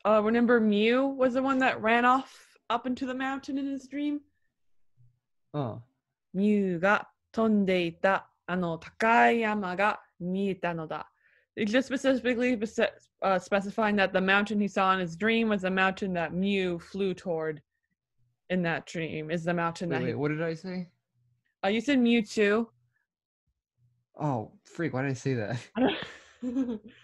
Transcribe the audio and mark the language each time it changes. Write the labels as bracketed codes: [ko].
[en] Remember Mew was the one that ran off up into the mountain in his dream? Oh. [ja] Mew が飛んでいた、あの高い山が見えたのだ。 [en] Just specifically specifying that the mountain he saw in his dream was the mountain that Mew flew toward in that dream. Is the mountain wait, that wait, he... what did I say? You said Mewtwo. Oh, freak, why did I say that?